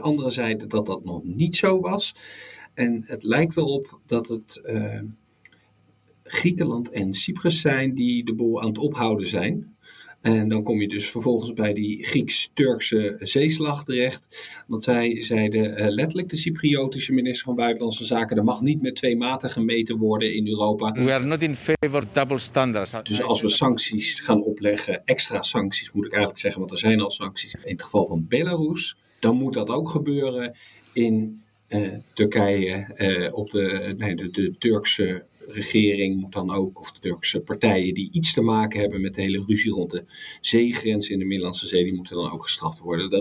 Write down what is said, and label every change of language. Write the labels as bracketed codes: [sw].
[nl] Anderen zeiden dat dat nog niet zo was. En het lijkt erop dat het Griekenland en Cyprus zijn die de boel aan het ophouden zijn. En dan kom je dus vervolgens bij die Grieks-Turkse zeeslag terecht. Want zij zeiden letterlijk de Cypriotische minister van Buitenlandse Zaken: er mag niet met twee maten gemeten worden in Europa. [en] We are not in favor of double standards. [nl] Dus als we sancties gaan opleggen, extra sancties moet ik eigenlijk zeggen, want er zijn al sancties in het geval van Belarus, dan moet dat ook gebeuren in Turkije. De Turkse regering moet dan ook, of de Turkse partijen die iets te maken hebben met de hele ruzie rond de zeegrens in de Middellandse Zee, die moeten dan ook gestraft worden.